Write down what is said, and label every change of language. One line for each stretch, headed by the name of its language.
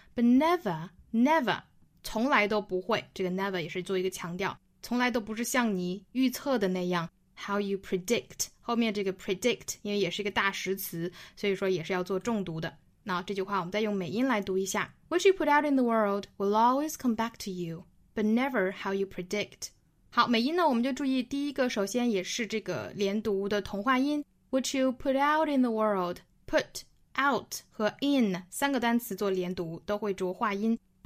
English: But never,
Chinese: 从来都不会，这个 never 也是做一个强调，从来都不是像你预测的那样。
English: How you predict,
Chinese: 后面这个 predict 因为也是一个大实词，所以说也是要做重读的。那这句话我们再用美音来读一下。
English: What you put out in the world will always come back to you, but never how you predict.
Chinese: 好，美音呢我们就注意第一个，首先也是这个连读的同化音。
English: What you put out in the world,Put, out 和 in
Chinese: 三个单词做连读都会浊化音。